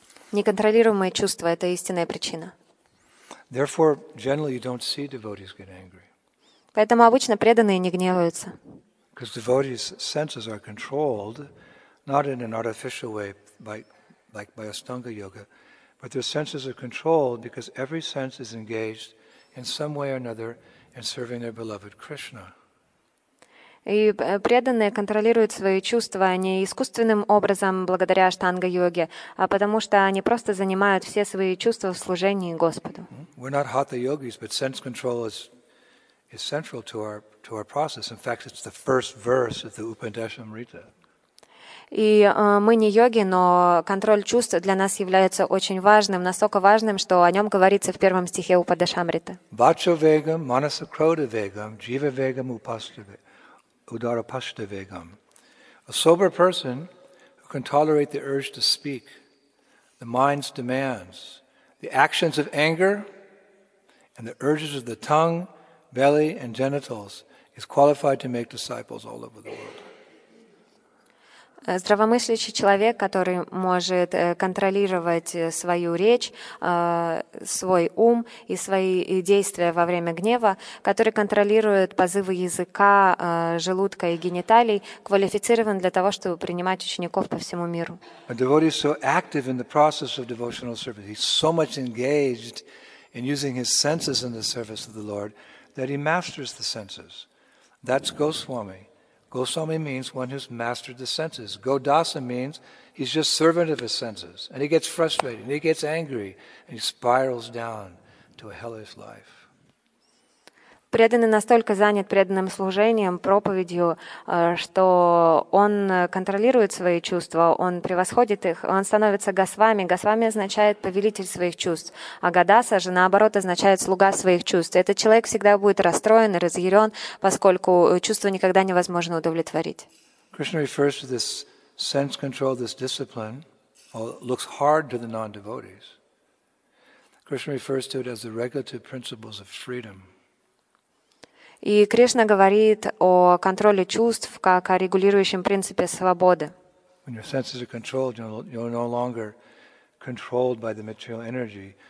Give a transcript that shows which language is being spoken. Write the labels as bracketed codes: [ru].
[ru] Неконтролируемые чувства — это истинная причина. [en] Therefore, generally you don't see devotees get angry. [ru] Поэтому обычно преданные не гневаются. [en] Because devotees' senses are controlled not in an artificial way, by Astanga yoga, but their senses are controlled because every sense is engaged in some way or another in serving their beloved Krishna. [ru] И преданные контролируют свои чувства не искусственным образом благодаря аштанга-йоге, а потому что они просто занимают все свои чувства в служении Господу. [en] We're not hatha yogis, but sense control is central to our process. In fact, it's the first verse of the Upanishadamrita. [ru] И мы не йоги, но контроль чувств для нас является очень важным, настолько важным, что о нем говорится в первом стихе Упадешамрита. [sa] Вачо вегам, манаса крода вегам, джива вегам, упаставе. Udarapashtavegam. [en] A sober person who can tolerate the urge to speak, the mind's demands, the actions of anger, and the urges of the tongue, belly, and genitals is qualified to make disciples all over the world. [ru] Здравомыслящий человек, который может контролировать свою речь, свой ум и свои действия во время гнева, который контролирует позывы языка, желудка и гениталий, квалифицирован для того, чтобы принимать учеников по всему миру. [en] A devotee is so active in the process of devotional service, he's so much engaged in using his senses in the service of the Lord, that he masters the senses. That's Goswami. Goswami means one who's mastered the senses. Godasa means he's just servant of his senses. And he gets frustrated, and he gets angry, and he spirals down to a hellish life. [ru] Преданный настолько занят преданным служением, проповедью, что он контролирует свои чувства, он превосходит их, он становится Госвами. Госвами означает повелитель своих чувств, а Гадаса же, наоборот, означает слуга своих чувств. Этот человек всегда будет расстроен и разъярен, поскольку чувства никогда невозможно удовлетворить. [en] Krishna refers to this sense control, this discipline, looks hard to the non-devotees. Krishna refers to it as the regulative principles of freedom. [ru] И Кришна говорит о контроле чувств как о регулирующем принципе свободы. [en] When your senses are controlled, you're no longer controlled by the material energy.